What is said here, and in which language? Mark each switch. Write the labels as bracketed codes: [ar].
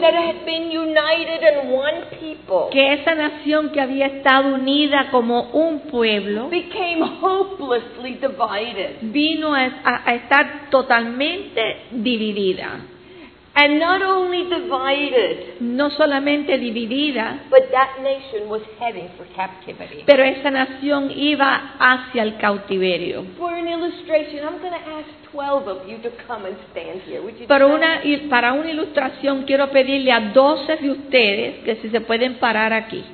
[en] That nation that had been united in one people. [es] Que esa nación que había estado unida como un pueblo. [en] Became hopelessly divided. [es] Vino a estar totalmente dividida. [en] And not only divided, [es] no solamente dividida, [en] but that nation was heading for captivity. [es] Pero esa nación iba hacia el cautiverio. [en] For an illustration, I'm going to ask 12 of you to come and stand here. Would you [es] para una ilustración, quiero pedirle a 12 de ustedes que si se pueden parar aquí.